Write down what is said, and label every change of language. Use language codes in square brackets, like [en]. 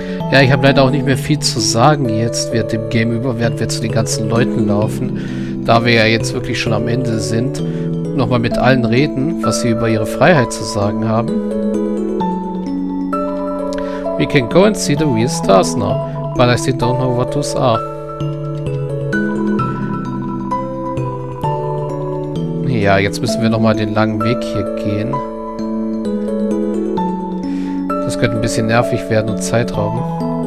[de] Ja, ich habe leider auch nicht mehr viel zu sagen jetzt, während dem Game über, während wir zu den ganzen Leuten laufen. Da wir ja jetzt wirklich schon am Ende sind, nochmal mit allen reden, was sie über ihre Freiheit zu sagen haben. [en] We can go and see the real stars now, but I still don't know what those are. [de] Ja, jetzt müssen wir nochmal den langen Weg hier gehen. Das könnte ein bisschen nervig werden und Zeit rauben.